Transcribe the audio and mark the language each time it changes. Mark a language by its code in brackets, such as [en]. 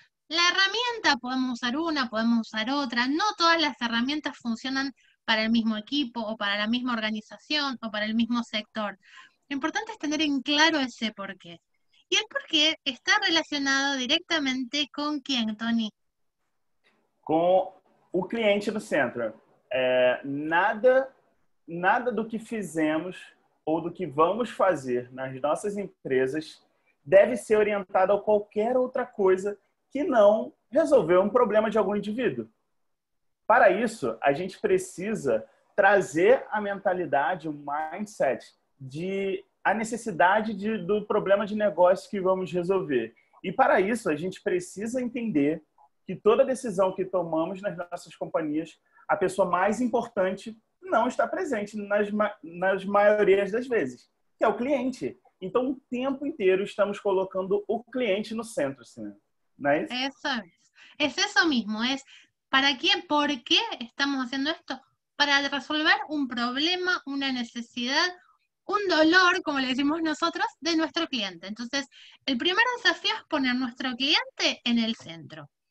[es] La herramienta, podemos usar una, podemos usar otra, no todas las herramientas funcionan para el mismo equipo o para la misma organización o para el mismo sector. Lo importante es tener en claro ese por qué. Y el por qué está relacionado directamente con quién, Tony. [pt] Com o cliente no centro. Nada do que fizemos ou do que vamos fazer nas nossas empresas deve ser orientado a qualquer outra coisa que não resolver um problema de algum indivíduo. Para isso, a gente precisa trazer a mentalidade, o mindset, a necessidade do problema de negócio que vamos resolver. E para isso, a gente precisa entender que toda decisão que tomamos nas nossas companhias, a pessoa mais importante não está presente nas maiorias das vezes, que é o cliente. Então, o tempo inteiro estamos colocando o cliente no centro, assim, não é isso? [es] Eso es. Es eso mismo, es ¿para quién? ¿Por qué estamos haciendo esto? Para resolver un problema, una necesidad, un dolor, como le decimos nosotros, de nuestro cliente. Entonces, el primer desafío es poner nuestro cliente en el centro.